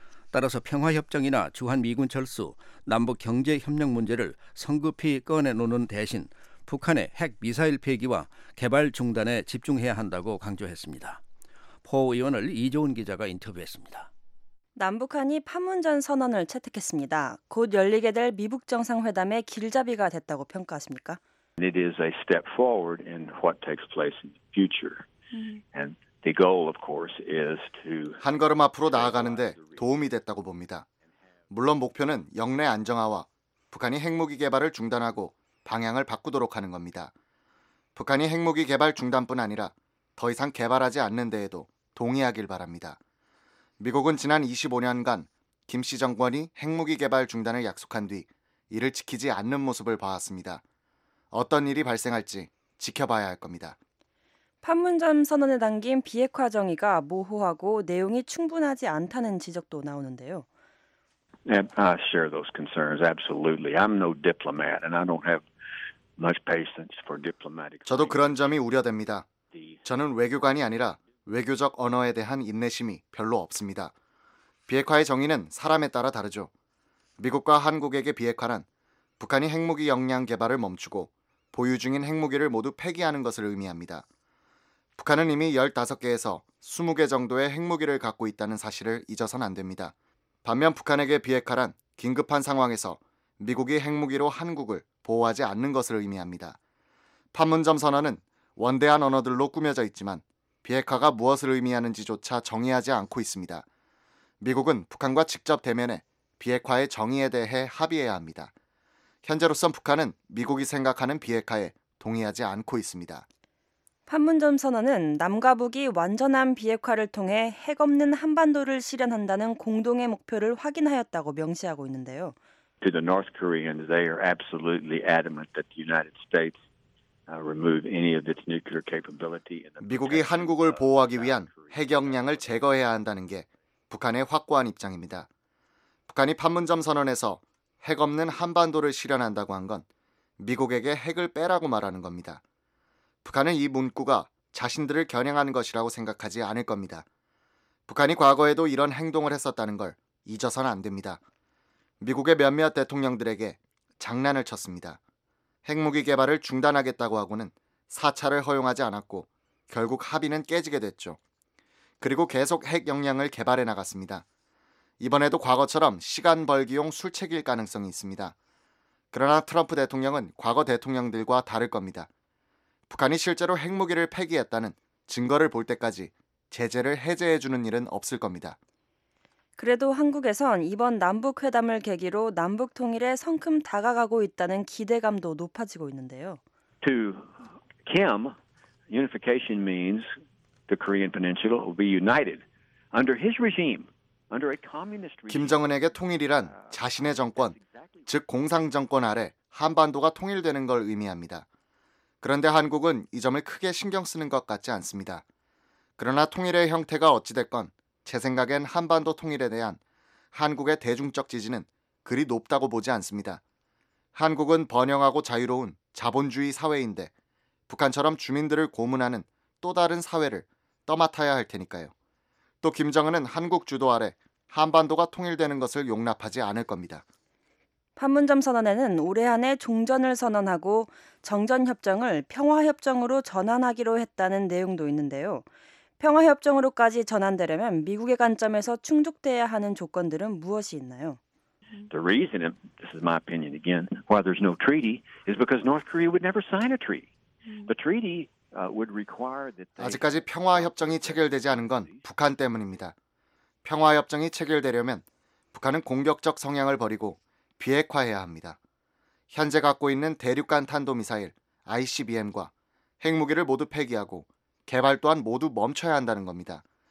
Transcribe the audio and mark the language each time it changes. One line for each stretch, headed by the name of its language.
Korean: 따라서 평화협정이나 주한미군 철수, 남북경제협력 문제를 성급히 꺼내놓는 대신 북한의 핵미사일 폐기와 개발 중단에 집중해야 한다고 강조했습니다. 포 의원을 이조은 기자가 인터뷰했습니다. 남북한이 판문점 선언을 채택했습니다. 곧 열리게 될 미북 정상회담의 길잡이가 됐다고 평가하십니까?
English: It is a step forward in what takes place in the future. And the goal, of course, is to
Korean: 한 걸음 앞으로 나아가는데 도움이 됐다고 봅니다. 물론 목표는 영내 안정화와 북한이 핵무기 개발을 중단하고 방향을 바꾸도록 하는 겁니다. 북한이 핵무기 개발 중단뿐 아니라 더 이상 개발하지 않는 데에도 동의하길 바랍니다. 미국은 지난 25년간 김 씨 정권이 핵무기 개발 중단을 약속한 뒤 이를 지키지 않는 모습을 봐왔습니다. 어떤 일이 발생할지 지켜봐야 할 겁니다. 판문점 선언에 담긴 비핵화 정의가 모호하고 내용이 충분하지 않다는 지적도 나오는데요.
English: I share those concerns absolutely. I'm no diplomat and I don't have much patience for diplomatic.
Korean: 저도 그런 점이 우려됩니다. 저는 외교관이 아니라 외교적 언어에 대한 인내심이 별로 없습니다. 비핵화의 정의는 사람에 따라 다르죠. 미국과 한국에게 비핵화란 북한이 핵무기 역량 개발을 멈추고 보유 중인 핵무기를 모두 폐기하는 것을 의미합니다. 북한은 이미 15개에서 20개 정도의 핵무기를 갖고 있다는 사실을 잊어서는 안 됩니다. 반면 북한에게 비핵화란 긴급한 상황에서 미국이 핵무기로 한국을 보호하지 않는 것을 의미합니다. 판문점 선언은 원대한 언어들로 꾸며져 있지만 비핵화가 무엇을 의미하는지조차 정의하지 않고 있습니다. 미국은 북한과 직접 대면해 비핵화의 정의에 대해 합의해야 합니다. 현재로선 북한은 미국이 생각하는 비핵화에 동의하지 않고 있습니다. 판문점 선언은 남과 북이 완전한 비핵화를 통해 핵 없는 한반도를 실현한다는 공동의 목표를 확인하였다고 명시하고 있는데요.
English: To the North Koreans, they are absolutely adamant that the United States remove any of its nuclear capability.
Korean: 미국이 한국을 보호하기 위한 핵 역량을 제거해야 한다는 게 북한의 확고한 입장입니다. 북한이 판문점 선언에서 핵 없는 한반도를 실현한다고 한 건 미국에게 핵을 빼라고 말하는 겁니다. 북한은 이 문구가 자신들을 겨냥하는 것이라고 생각하지 않을 겁니다. 북한이 과거에도 이런 행동을 했었다는 걸 잊어서는 안 됩니다. 미국의 몇몇 대통령들에게 장난을 쳤습니다. 핵무기 개발을 중단하겠다고 하고는 사찰을 허용하지 않았고 결국 합의는 깨지게 됐죠. 그리고 계속 핵 역량을 개발해 나갔습니다. 이번에도 과거처럼 시간 벌기용 술책일 가능성이 있습니다. 그러나 트럼프 대통령은 과거 대통령들과 다를 겁니다. 북한이 실제로 핵무기를 폐기했다는 증거를 볼 때까지 제재를 해제해주는 일은 없을 겁니다. 그래도 한국에선 이번 남북회담을 계기로 남북 통일에 성큼 다가가고 있다는 기대감도 높아지고 있는데요.
English: To Kim, unification means the Korean Peninsula will be united.
Korean: 김정은에게 통일이란 자신의 정권, 즉 공산정권 아래 한반도가 통일되는 걸 의미합니다. 그런데 한국은 이 점을 크게 신경 쓰는 것 같지 않습니다. 그러나 통일의 형태가 어찌됐건 제 생각엔 한반도 통일에 대한 한국의 대중적 지지는 그리 높다고 보지 않습니다. 한국은 번영하고 자유로운 자본주의 사회인데 북한처럼 주민들을 고문하는 또 다른 사회를 떠맡아야 할 테니까요. 또 김정은은 한국 주도 아래 한반도가 통일되는 것을 용납하지 않을 겁니다. 판문점 선언에는 올해 안에 종전을 선언하고 정전협정을 평화협정으로 전환하기로 했다는 내용도 있는데요. 평화협정으로까지 전환되려면 미국의 관점에서 충족돼야 하는 조건들은 무엇이 있나요?
English: The reason, this is my opinion again, why there's no treaty is because North Korea would never sign a treaty. The treaty would require that they...
Korean: 아직까지 평화협정이 체결되지 않은 건 북한 때문입니다. 평화협정이 체결되려면 북한은 공격적 성향을 버리고 비핵화해야 합니다. 현재 갖고 있는 대륙간 탄도미사일 ICBM과 핵무기를 모두 폐기하고 개발 또한 모두 멈춰야 한다는 겁니다.